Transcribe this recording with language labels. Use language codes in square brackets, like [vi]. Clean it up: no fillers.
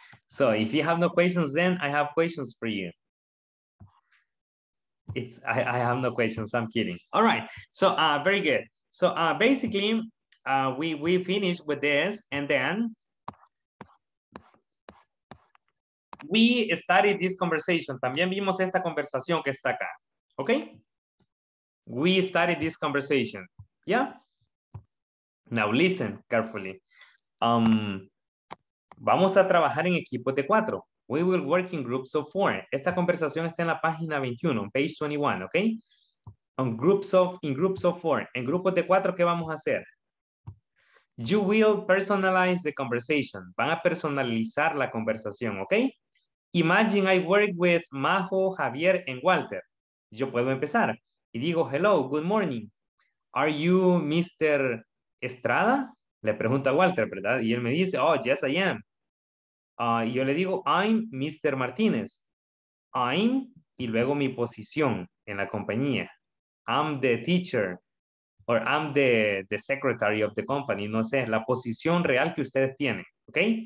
[en] So if you have no questions then, I have questions for you. I have no questions, I'm kidding. All right, so very good. So basically, we finished with this, and then we studied this conversation. [es] También vimos esta conversación que está acá, okay? [en] We studied this conversation, yeah? Now listen carefully. [es] Vamos a trabajar en equipos de cuatro. [en] We will work in groups of four. [es] Esta conversación está en la página 21, [en] page 21, [es] okay? [en] In groups of four. [es] En grupos de cuatro, ¿qué vamos a hacer? [en] You will personalize the conversation. [es] Van a personalizar la conversación, [en] okay? Imagine I work with Majo, Javier, and Walter. [es] Yo puedo empezar. Y digo, [en] hello, good morning. Are you Mr. Estrada? [es] Le pregunto a Walter, ¿verdad? Y él me dice, [en] oh, yes, I am. [es] Y yo le digo, [en] I'm Mr. Martínez. [es] I'm, y luego mi posición en la compañía. [en] I'm the teacher, or I'm the secretary of the company. [es] No sé, la posición real que ustedes tienen, ¿ok?